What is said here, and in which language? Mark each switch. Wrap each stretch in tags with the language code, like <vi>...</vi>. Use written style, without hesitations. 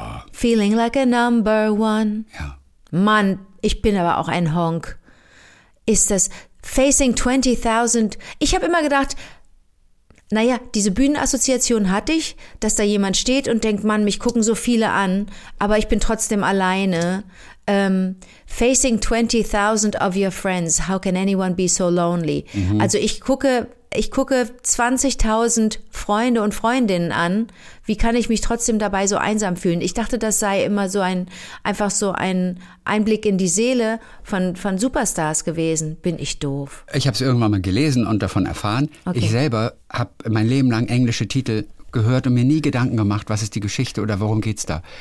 <en>Feeling like a number one.</en> <de>Ja. Mann, ich bin aber auch ein Honk. Ist das Facing 20,000? Ich habe immer gedacht, naja, diese Bühnenassoziation hatte ich, dass da jemand steht und denkt, Mann, mich gucken so viele an, aber ich bin trotzdem alleine.</de> <en>Facing 20,000 of your friends, how can anyone be so lonely?</en> <de>Mhm. Also ich gucke 20,000 Freunde und Freundinnen an, wie kann ich mich trotzdem dabei so einsam fühlen? Ich dachte, das sei immer so ein Einblick in die Seele von Superstars gewesen. Bin ich doof? Ich habe es irgendwann mal gelesen und davon erfahren. Okay. Ich selber habe mein Leben lang englische Titel gehört und mir nie Gedanken gemacht, was ist die Geschichte oder worum geht's da.</de>